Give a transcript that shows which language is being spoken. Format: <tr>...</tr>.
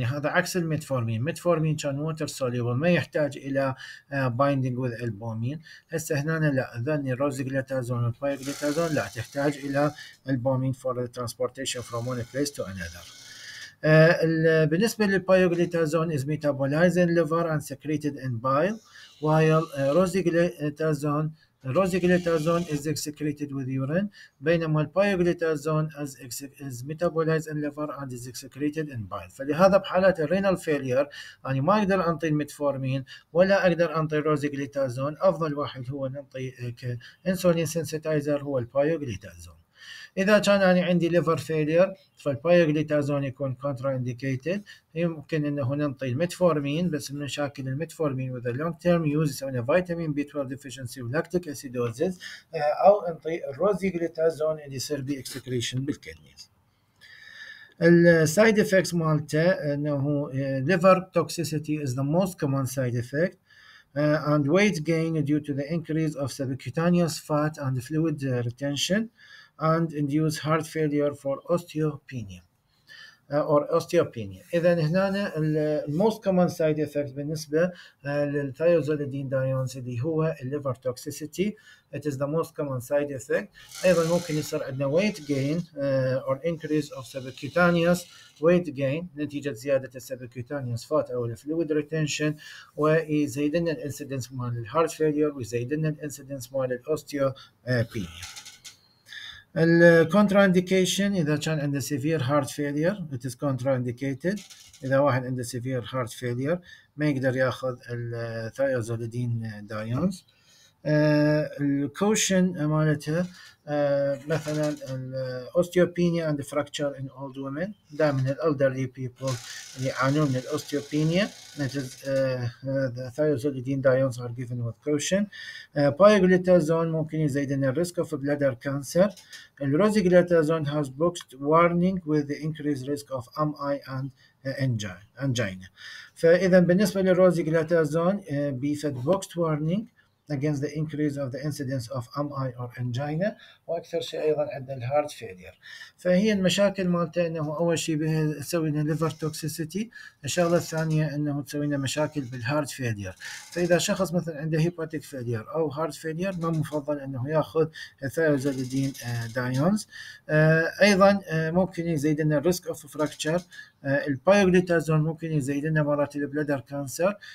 <ar>يعني هذا عكس الميتفورمين. ميتفورمين كان</ar> <en>water soluble.</en> <ar>ما يحتاج إلى</ar> <en>binding with albumin.</en> <ar>هسا هنا لا. ذني روزغليتازون والبايغليتازون لا. تحتاج إلى</ar> <en>albumin for the transportation from one place to another.</en> <ar>بالنسبة للبايغليتازون</ar> <en>is metabolized in liver and secreted in bile. While Rosiglitazone is excreted with urine,</en> <ar>بينما البيوغليتازون</ar> <en>is metabolized in liver and is excreted in bile.</en> <ar>فلهذا بحالة renal failure أنا ما أقدر أنطي الميتفورمين ولا أقدر أنطي روزيغليتازون. أفضل واحد هو ننطي insulin sensitizer هو البيوغليتازون. إذا كان أنا عندي liver failure فالبيوغليتازون يكون contraindicated. يمكن أنه ننطي الميتفورمين بس المشاكل الميتفورمين</ar> <en>with a long term use</en> <ar>يسوينا</ar> <en>vitamin B12 deficiency</en> <ar>و</ar> <en>lactic acidosis</en> <ar>أو ننطي الروزيغليتازون اللي يصير بي excretion بالكنيز.</ar> <en>السايد افكتس</en> <ar>مالته أنه</ar> <en>liver toxicity is the most common side effect. And weight gain due to the increase of subcutaneous fat and fluid retention and induce heart failure for osteopenia or osteopenia.</en> <ar>إذن هنا</ar> <en>most common side effect</en> <ar>بالنسبة للثيوزولدينديونز اللي هو</ar> <en>liver toxicity. It is the most common side effect.</en> <ar>أيضا ممكن يصير عندنا</ar> <en>weight gain or increase of subcutaneous weight gain</en> <ar>نتيجة زيادة</ar> <en>subcutaneous fat</en> <ar>أو</ar> <en>fluid retention</en> <ar>ويزيد لنا الانسيدنس مال الهارت فيلير ويزيد لنا الانسيدنس مال الاوستيوبينيا.</ar> <en>الكونتراندكيشن</en> <ar>إذا كان عند</ar> <en>severe heart failure it is contraindicated.</en> <ar>إذا واحد عند</ar> <en>severe heart failure</en> <ar>ما يقدر ياخذ الثيوزولدين دايونز. الكوشن مالته مثلا الاوستيوبينيا</ar> <en>and fracture in old women.</en> <ar>دائما الالدرلي بيبول اللي يعانون من الاوستيوبينيا الثيوزولدين دايونز</ar> <en>are given with caution.</en> <ar>بايوغليتازون ممكن يزيد لنا الريسك اوف بلادر كانسر.</ar> <en>الروزيغليتازون has boxed warning with the increased risk of MI and angina.</en> <ar>فاذا بالنسبه للروزيغليتازون بيفد</ar> <en>boxed warning against the increase of the incidence of MI or angina</en> <ar>واكثر شيء ايضا عند الهارت فيلير. فهي المشاكل مالته انه اول شيء تسوي لنا ليفر توكسيسيتي، الشغله الثانيه انه تسوي لنا مشاكل بالهارت فيلير. فاذا شخص مثلا عنده هيباتيك فيلير او هارت فيلير ما مفضل انه ياخذ الثيوزولدين دايونز. ايضا ممكن يزيد لنا الريسك اوف فراكتشر. البايوغليتازون ممكن يزيد لنا مرات البلادر كانسر.</ar>